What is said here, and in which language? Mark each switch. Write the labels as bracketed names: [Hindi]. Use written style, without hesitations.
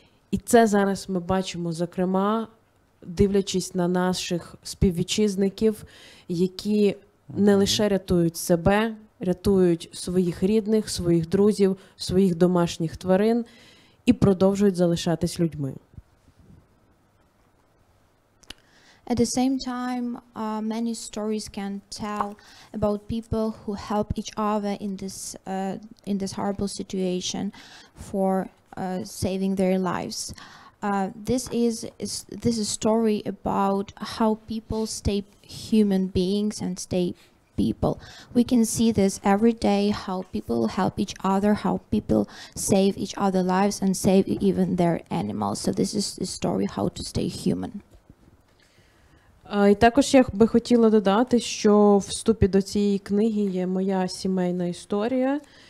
[Ukrainian] І це зараз ми бачимо, зокрема, дивлячись на наших співвітчизників, які не лише рятують себе, рятують своїх рідних, своїх друзів, своїх домашніх тварин і продовжують залишатись людьми. [English] At the same time, many stories can tell about people who help each other in this horrible situation for saving their lives. This is a story about how people stay human beings and stay people. We can see this every day, how people help each other, how people save each other lives and save even their animals. So this is a story how to stay human. [Ukrainian] І також я би хотіла додати, що в вступі до цієї книги є моя сімейна історія.